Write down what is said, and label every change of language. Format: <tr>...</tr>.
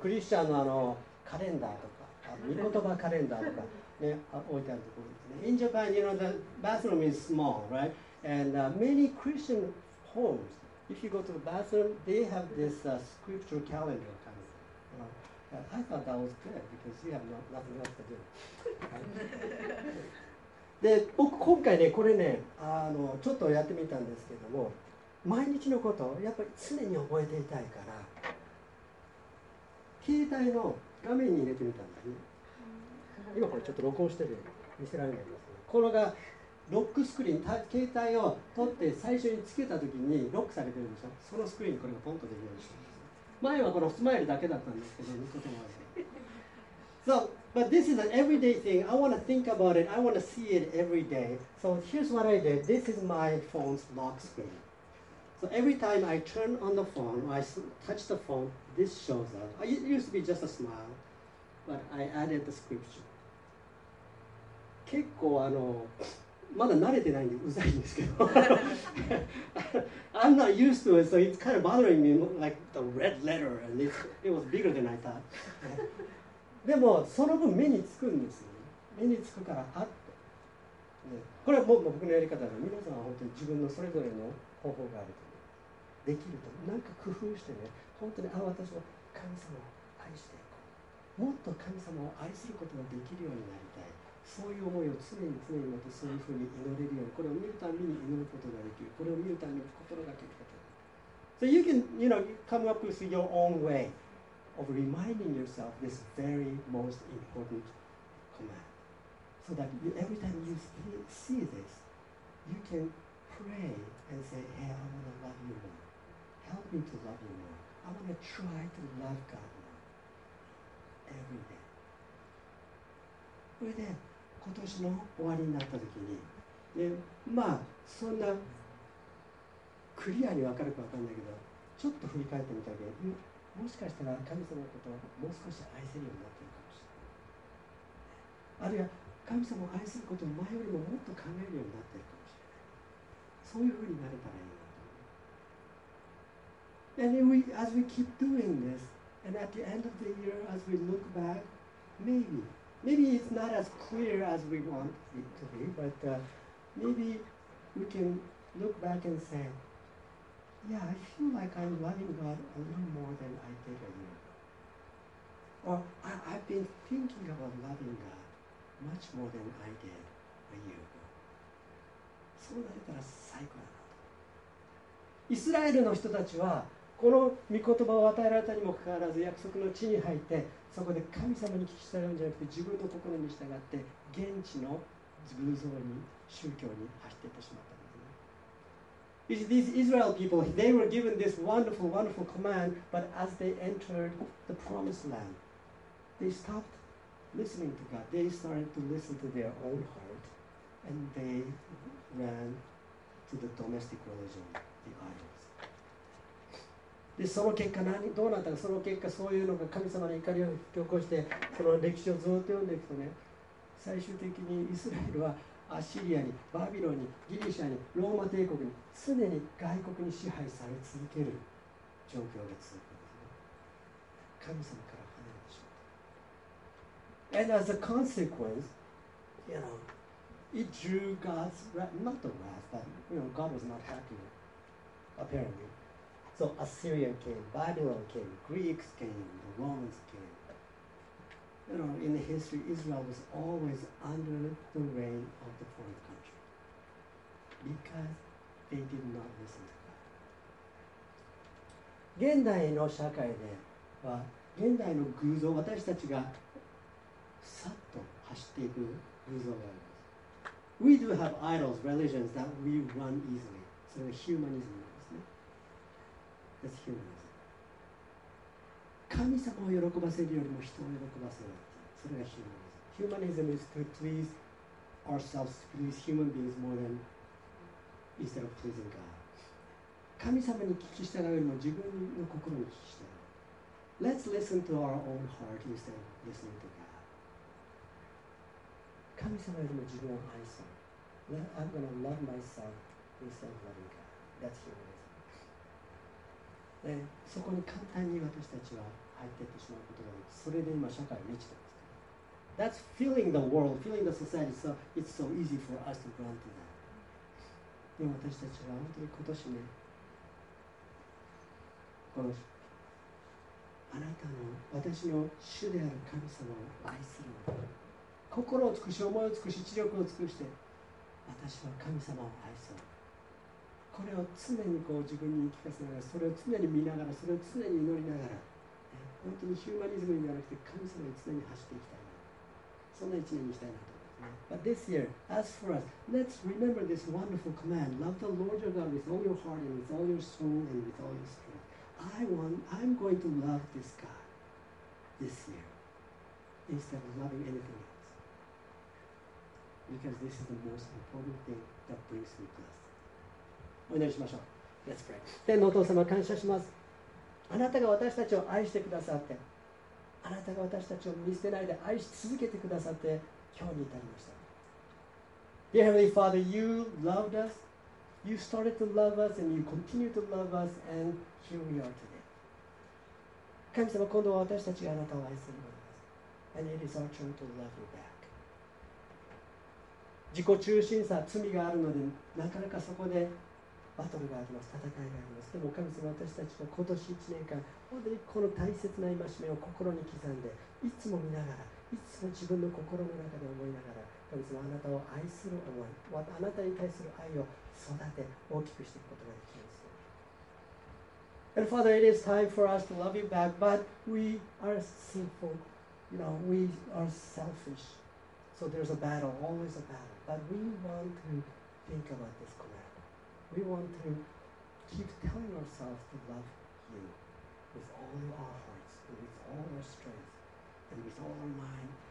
<ja>クリスチャンのカレンダーとか、御言葉カレンダーとか、ね、置いてあるところですね。</ja> <en>In Japan, you know, the bathroom is small, right? And many Christian homes, if you go to the bathroom, they have this scripture calendar kind of thing. I thought that was good because you have nothing else to do.</en> <ja>で、僕今回ね、これね、ちょっとやってみたんですけども、毎日のことをやっぱり常に覚えていたいから、携帯の画面に入れてみたんですね。今これちょっと録音してる、見せられないんですけど、これがロックスクリーン、携帯を取って最初につけたときにロックされてるんでしょ。そのスクリーンにこれがポンと出るようにしてる。前はこのスマイルだけだったんですけど、見ることもある。</ja> <en>So, but this is an everyday thing. I want to think about it. I want to see it every day. So here's what I did. This is my phone's lock screen. So every time I turn on the phone, or I touch the phone, this shows up. It used to be just a smile, but I added the scripture.</en> <ja>結構まだ慣れてないんでうざいんですけど。</ja> <en>I'm not used to it, so it's kind of bothering me, like the red letter, and it was bigger than I thought.</en> <ja>でもその分目につくんですよ、ね、目につくからあって、ね、これはもう僕のやり方で、皆さんは本当に自分のそれぞれの方法があると、ね、できると何か工夫してね、本当にあ、私は神様を愛していこう、もっと神様を愛することができるようになりたい、そういう思いを常に常に持って、そういうふうに祈れるように、これを見るたびに祈ることができる、これを見るたびに心がけることができる。</ja> <en>So you can, you know, come up with your own wayof reminding yourself this very most important command. So that you, every time you see this, you can pray and say, hey, I want to love you more. Help me to love you more. I want to try to love God more. Every day.</en> <ja>それで、今年の終わりになった時に、ね、まあ、そんなクリアに分かるか分かんないけど、ちょっと振り返ってみたけど、もしかしたら神様のことをもう少し愛せるようになっているかもしれない。あるいは神様を愛することを前よりももっと考えるようになっているかもしれない。そういうふうになれたらいいなと思う。</ja> <en>And if we, as we keep doing this, and at the end of the year, as we look back, maybe it's not as clear as we want it to be, but maybe we can look back and say,Yeah, I feel like I'm loving God a little more than I did a year ago. Or I've been thinking about loving God much more than I did a year ago.</en> <ja>そうなれたら最高だなと。イスラエルの人たちはこの御言葉を与えられたにもかかわらず約束の地に入って、そこで神様に聞き従うんじゃなくて自分の心に従って現地の偶像に宗教に走っていってしまった。</ja> <en>These Israel people, they were given this wonderful, wonderful command, but as they entered the promised land, they stopped listening to God. They started to listen to their own heart, and they ran to the domestic religion, the idols.</en> <ja>で、その結果何、どうなったか、その結果、そういうのが神様の怒りを引き起こして、その歴史をずっと読んでいくとね、最終的にイスラエルは、アッシリアに、バビロンに、ギリシャに、ローマ帝国に、常に外国に支配され続ける状況が続くんですね。神様から離れてしまった。</ja> <en>And as a consequence, you know, it drew God's wrath, not the wrath, but you know, God was not happy, apparently. So Assyria came, Babylon came, Greeks came, the Romans came. You know, in the history, Israel was always under the reign of the foreign country because they did not listen to God.</en> <ja>現代の社会では、現代の偶像、私たちがさっと走っていく偶像があります。</ja> <en>We do have idols, religions that we run easily.</en> <ja>それは humanism なんですね。</ja> <en>That's humanism.</en> <ja>神様を喜ばせるよりも人を喜ばせる、それがヒューマニズム。</ja> <en>ヒューマニズム is to please ourselves, to please human beings more than instead of pleasing God.</en> <ja>神様に聞き従うよりも自分の心に聞き従う。</ja> <en>Let's listen to our own heart instead of listening to God.</en> <ja>神様よりも自分を愛そう。</ja> <en>I'm gonna love myself instead of loving God. That's humanism.</en> <ja>でそこに簡単に私たちは入っていってしまうことがある。それで今社会に満ちてます。</ja> <en>That's filling the world, filling the society, so it's so easy for us to run to that.</en> <ja>で私たちは本当に今年ね、このあなたの私の主である神様を愛する、心を尽くし、思いを尽くし、知力を尽くして私は神様を愛する、これを常にこう自分に聞かせながら、それを常に見ながら、それを常に祈りながら、本当にヒューマニズムではなくて神様に常に走っていきたい、そんな一年にしたいなと。</ja> <en>But this year, as for us, let's remember this wonderful command: love the Lord your God with all your heart and with all your soul and with all your strength. I'm going to love this God this year instead of loving anything else, because this is the most important thing that brings me blessed.</en> <ja>お祈りしましょう。</ja> <en>Let's pray.</en> <ja>天のお父様、感謝します。あなたが私たちを愛してくださって、あなたが私たちを見捨てないで愛し続けてくださって今日に至りました。</ja> <en>Dear Heavenly Father, you loved us, you started to love us, and you continue to love us, and here we are today.</en> <ja>神様、今度は私たちがあなたを愛するものです。</ja> <en>And it is our turn to love you back.</en> <ja>自己中心さ、罪があるので、なかなかそこでバトルがあります、戦いがあります。でも神様、私たちは今年1年間本当にこの大切な戒めを心に刻んで、いつも見ながら、いつも自分の心の中で思いながら、神様、あなたを愛する思い、あなたに対する愛を育て大きくしていくことができます。</ja> <en>And Father, it is time for us to love you back, but we are sinful, you know, we are selfish, so there's a battle, always a battle, but we want to think about this commandWe want to keep telling ourselves to love you with all our hearts, and with all our strength, and with all our mind.</en>